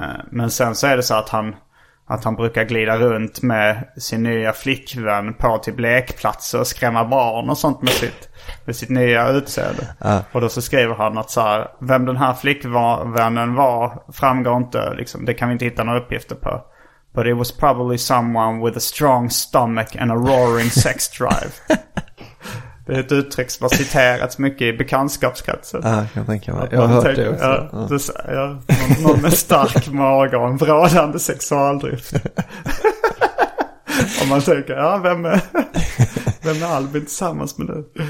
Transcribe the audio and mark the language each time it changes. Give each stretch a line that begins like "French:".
Swedish: Men sen så är det så att han brukar glida runt med sin nya flickvän på till lekplatser och skrämma barn och sånt med sitt nya utseende. Och då så skriver han att så här, vem den här flickvännen var framgår inte, liksom, det kan vi inte hitta några uppgifter på.
English: But it was probably someone with a strong stomach and a roaring sex drive.
Swedish: Det är ett uttryck som har citerats mycket i bekantskapskretsen. Jag tänker mig. Jag har hört det också. Någon med stark mage och en vrålande sexualdrift. Om man tänker, ja, vem är Albin tillsammans med nu?